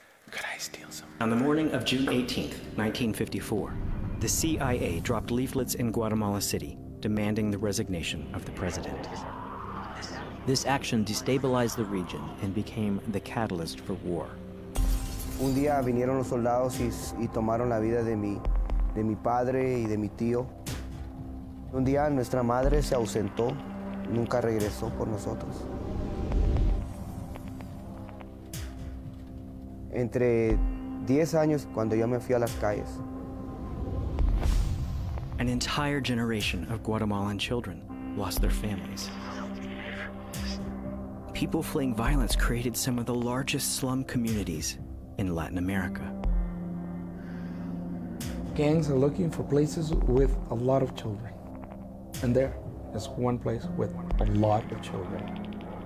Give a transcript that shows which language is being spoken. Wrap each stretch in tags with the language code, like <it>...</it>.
<en>Could I steal some? On the morning of June 18th, 1954, the CIA dropped leaflets in Guatemala City demanding the resignation of the president. This action destabilized the region and became the catalyst for war.</en> <es>Un día vinieron los soldados y tomaron la vida de mi padre y de mi tío. Un día nuestra madre se ausentó, nunca regresó por nosotros. Entre 10 años cuando yo me fui a las calles.</es> <en>An entire generation of Guatemalan children lost their families. People fleeing violence created some of the largest slum communities in Latin America. Gangs are looking for places with a lot of children. And there is one place with a lot of children.</en>